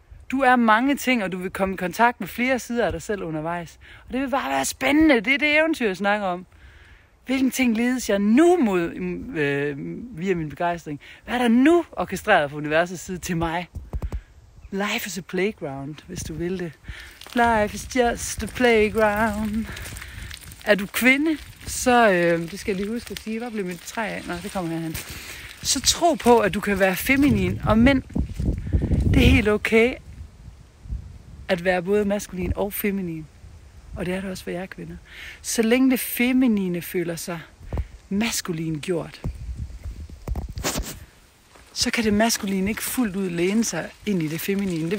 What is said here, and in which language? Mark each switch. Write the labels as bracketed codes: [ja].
[da] Du er mange ting, og du vil komme i kontakt med flere sider af dig selv undervejs. Og det vil bare være spændende. Det er det eventyr, jeg snakker om. Hvilken ting ledes jeg nu mod via min begejstring? Hvad er der nu orkestreret på universets side til mig? [en] Life is a playground, [da] hvis du vil det. [en] Life is just a playground. [da] Er du kvinde? Så, det skal jeg lige huske at sige, hvor blev mit træ af? Nå, det kommer herhen. Så tro på, at du kan være feminin og mænd. Det er helt okay at være både maskulin og feminin. Og det er det også for jer kvinder. Så længe det feminine føler sig maskulin gjort, så kan det maskuline ikke fuldt ud læne sig ind i det feminine.